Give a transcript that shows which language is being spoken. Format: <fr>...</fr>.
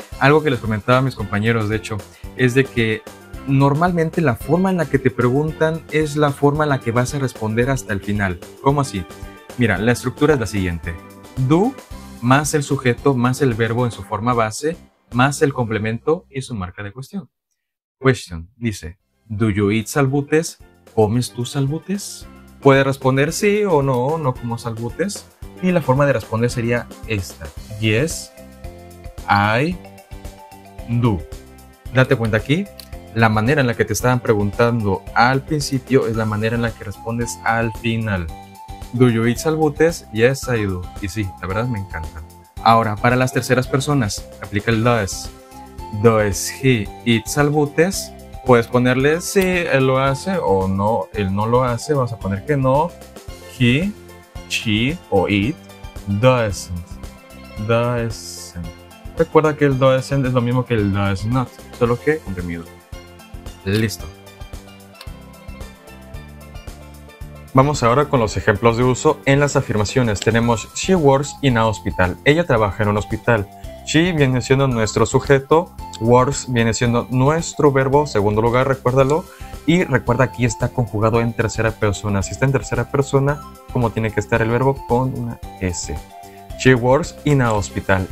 <es>Algo que les comentaba a mis compañeros, de hecho, es de que normalmente la forma en la que te preguntan es la forma en la que vas a responder hasta el final. ¿Cómo así? Mira, la estructura es la siguiente. Do más el sujeto más el verbo en su forma base más el complemento y su marca de cuestión.</es> <en>Question dice, do you eat salbutes?</en> <es>¿Comes tú salbutes? Puede responder sí o no, no como salbutes. Y la forma de responder sería esta.</es> <en>Yes, I do.</en> <es>Date cuenta aquí, la manera en la que te estaban preguntando al principio es la manera en la que respondes al final.</es> <en>Do you eat salbutes? Yes, I do.</en> <es>Y sí, la verdad me encanta. Ahora, para las terceras personas, aplica el does.</es> <en>Does he eat salbutes?</en> <es>Puedes ponerle sí, él lo hace o no, él no lo hace. Vamos a poner que no. He, she o</es> <en>it doesn't.</en> <es>Doesn't. Recuerda que el doesn't es lo mismo que el does not, solo que comprimido. Listo. Vamos ahora con los ejemplos de uso en las afirmaciones.</es> <en>Tenemos she works in a hospital.</en> <es>Ella trabaja en un hospital. She viene siendo nuestro sujeto. Works viene siendo nuestro verbo. Segundo lugar, recuérdalo. Y recuerda, aquí está conjugado en tercera persona. Si está en tercera persona, ¿cómo tiene que estar el verbo? Con una S.</es> <en>She works in a hospital.</en>